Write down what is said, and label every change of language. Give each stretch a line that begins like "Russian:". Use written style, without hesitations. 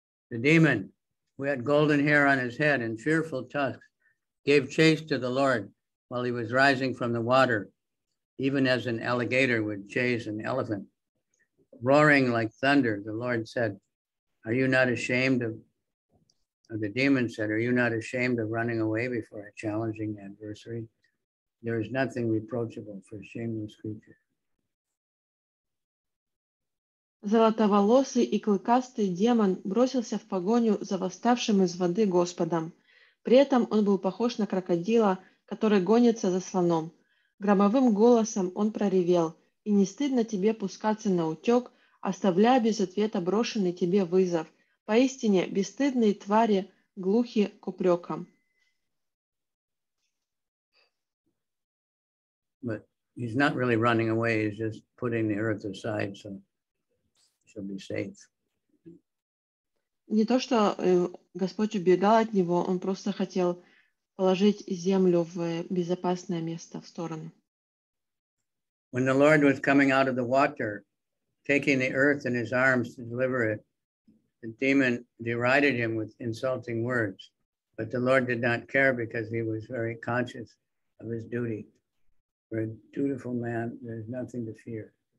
English: The demon, who had golden hair on his head and fearful tusks, gave chase to the Lord while he was rising from the water, even as an alligator would chase an elephant. Roaring like thunder, the Lord said, "Are you not ashamed of?" The demon said, "Are you not ashamed of running away before a challenging adversary? There is nothing reproachable for a shameless creature."
Russian: Золотоволосый и клыкастый демон бросился в погоню за восставшим из воды Господом. При этом он был похож на крокодила, который гонится за слоном. Громовым голосом он проревел: "И не стыдно тебе пускаться на утек, оставляя без ответа брошенный тебе вызов. Поистине, бесстыдные твари глухи к упрекам."
English: But he's not really running away, he's just putting the earth aside so she'll be safe.
Russian: Не то, что Господь убегал от него, он просто хотел положить землю в безопасное место, в сторону.
English: When the Lord was coming out of the water, taking the earth in his arms to deliver it, the demon derided him with insulting words, but the Lord did not care because he was very conscious of his duty. For a dutiful man, there is nothing to fear.